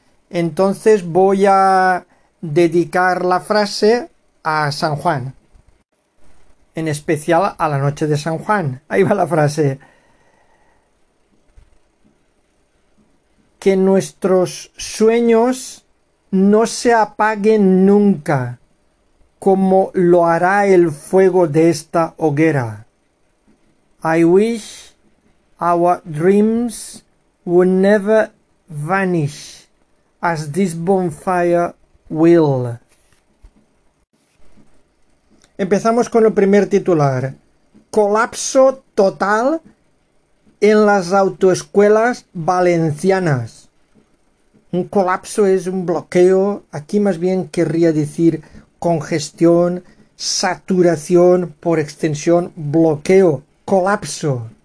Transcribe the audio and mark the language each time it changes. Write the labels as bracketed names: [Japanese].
[Spanish] Entonces voy a dedicar la frase a San Juan, en especial a la noche de San Juan. Ahí va la frase: que nuestros sueños no se apaguen nunca, como lo hará el fuego de esta hoguera. [English] I wish our dreams would never vanish, as this bonfire will. [Spanish] Empezamos con el primer titular: colapso total en las autoescuelas valencianas. Un colapso es un bloqueo. Aquí más bien querría decir congestión, saturación, por extensión, bloqueo. Colapso.